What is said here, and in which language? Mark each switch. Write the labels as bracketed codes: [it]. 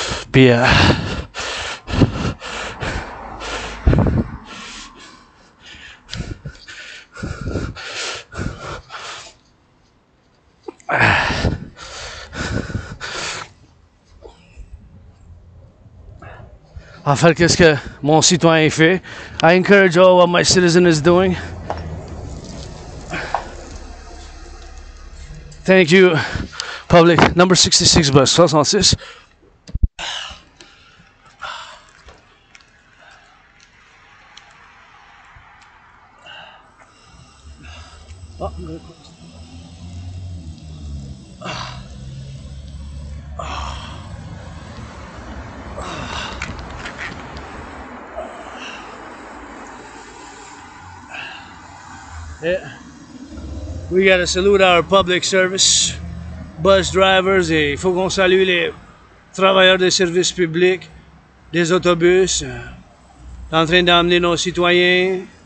[fr] Puis, en fait, qu'est-ce que mon citoyen fait? [en] I encourage all what my citizen is doing. Thank you, public. Number 66 bus, 66. Yeah. We gotta salute our public service bus drivers. [fr] Et il faut qu'on salue les travailleurs des services publics, des autobus, en train d'emmener nos citoyens.